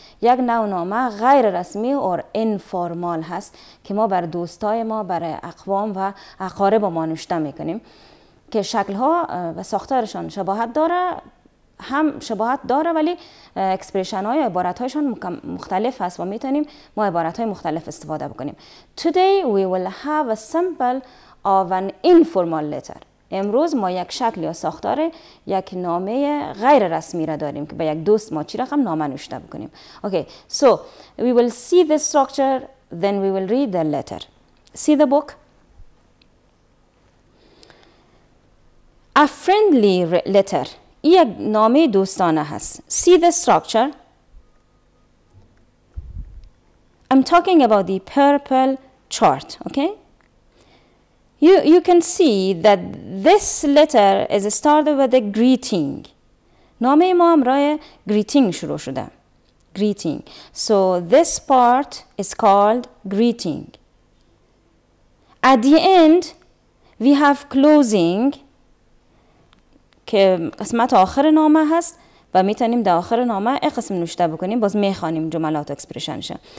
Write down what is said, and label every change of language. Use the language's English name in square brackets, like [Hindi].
[Persian] یک نوع نامه غیر رسمی و انفورمال هست که ما بر دوستای ما، بر اقوام و اقارب ما نوشته می‌کنیم که شکل‌ها و ساختارشان شباهت داره، هم شباهت داره ولی اکسپریشن‌ها یا عبارت‌هایشان مختلف است و می‌تونیم ما عبارت‌های مختلف استفاده بکنیم. [English] Today we will have a simple of an informal letter. [Persian] امروز ما یک شکل یا ساختار یک نامه غیر رسمی را داریم که به یک دوست ما چی رقم نامه نوشته بکنیم. [English] Okay, so we will see the structure, then we will read the letter. See the book. A friendly letter. [Persian] یک نامه دوستانه هست. [English] See the structure. I'm talking about the purple chart. Okay? You can see that this letter is started with a greeting. [Persian] نامه ما امروی greeting شروع شده. [English] Greeting. So this part is called greeting. At the end, we have closing. [Persian] که قسمت آخر نامه هست و میتونیم در آخر نامه این قسم نوشته بکنیم، باز میخوانیم جملات اکسپریشنش.